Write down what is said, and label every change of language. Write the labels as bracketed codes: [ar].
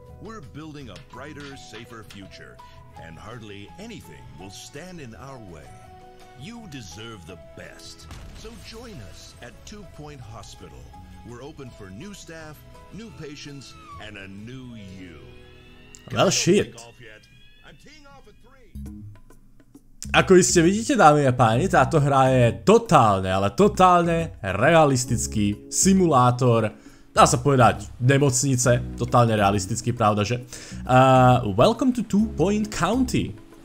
[en] We're building a brighter, safer future, and hardly anything will stand in our way. You deserve the best. So join us at Two Point Hospital. We're open for new staff, new patients, and a new you. Well, shit. I'm teeing off at 3. [sk] Ako iste vidíte, dámy a páni, táto hra je totálne, ale totálne realistický simulátor, dá sa povedať, nemocnice, totálne realistický, pravdaže. [en] Welcome to Two Point County.